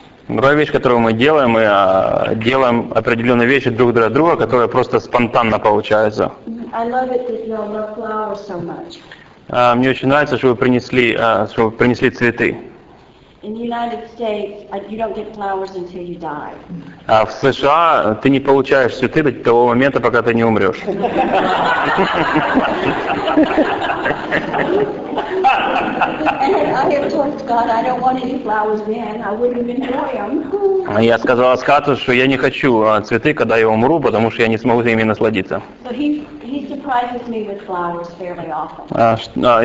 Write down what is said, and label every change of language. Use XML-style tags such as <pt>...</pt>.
<ru>Другая вещь, которую мы делаем, мы делаем определенные вещи друг для друга, которые просто спонтанно получаются.</ru> <en>I love it that you all love flowers so much.</en> <ru>Мне очень нравится, что вы принесли, цветы.</ru> <en>In the United States, you don't get flowers until you die.</en> <ru>В США ты не получаешь цветы до того момента, пока ты не умрешь.</ru> <en>And I have told Scott I don't want any flowers then. I wouldn't enjoy them.</en> <ru>Я сказала Скотту, что я не хочу цветы, когда я умру, потому что я не смогу ими насладиться.</ru> <en>So he surprises me with flowers fairly often.</en>